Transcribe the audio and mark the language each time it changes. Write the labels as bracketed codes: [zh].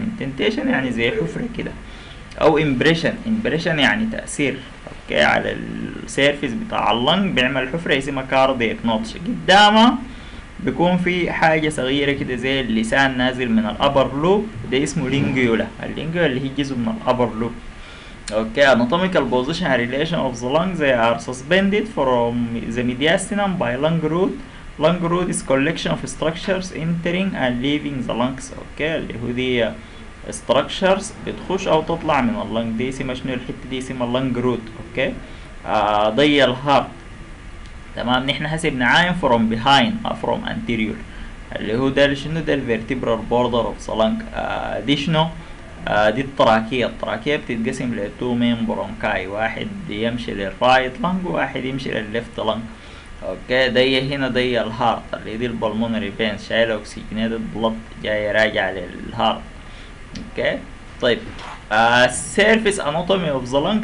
[ar] اندنتيشن يعني زي حفره كده، او امبريشن. امبريشن يعني تاثير. اوكي على السيرفيس بتاع اللنج بيعمل حفره اسمها كاردياك نوتش. قدامه بيكون في حاجه صغيره كده زي اللسان نازل من الابر لوب، ده اسمه لينجيولا. اللينجيولا اللي هي جزء من الابر لوب. [en] Okay anatomical position and relation of the lungs، they are suspended from the mediastinum by lung root. lung root is collection of structures entering and leaving the lungs. [ar] اوكي اللي هو دي structures بتخش او تطلع من اللنج، دي اسمها شنو؟ الحته دي اسمها lung root. اوكي ضي الهارت تمام. نحن هسيب نعاين [en] from behind from anterior، [ar] اللي هو ده شنو؟ ده [en] vertebral border of the lung. [ar] دي شنو؟ دي التراكية. التراكية بتتقسم لـ two main برونكاي، واحد يمشي للرايت لنج وواحد يمشي للليفت لنج. اوكي دي هنا دي الهارت اللي دي البلمونري فينس، شايلة اوكسجينيتد بلط جاي راجع للهارت. [en] Okay طيب surface anatomy of the lung.